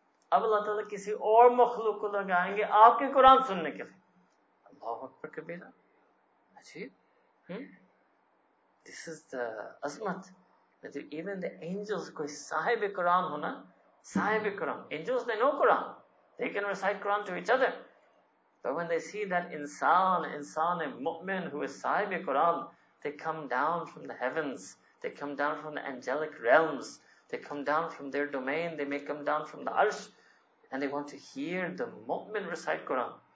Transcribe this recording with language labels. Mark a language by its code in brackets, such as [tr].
[ur] اب اللہ تعالیٰ کسی اور مخلوق کو لگائیں گے آپ کے قرآن سننے کے لیے. اللہ اکبر کبیرا. عجیب. [en] This is the عظمت. Even the angels, [ur] کوئی صاحب قرآن ہونا, صاحب قرآن. [en] Angels, they know Quran. They can recite Quran to each other. But when they see that انسان مؤمن who is صاحب Quran, they come down from the heavens, they come down from the angelic realms, they come down from their domain, they may come down from the arsh, and they want to hear the mu'min recite Quran.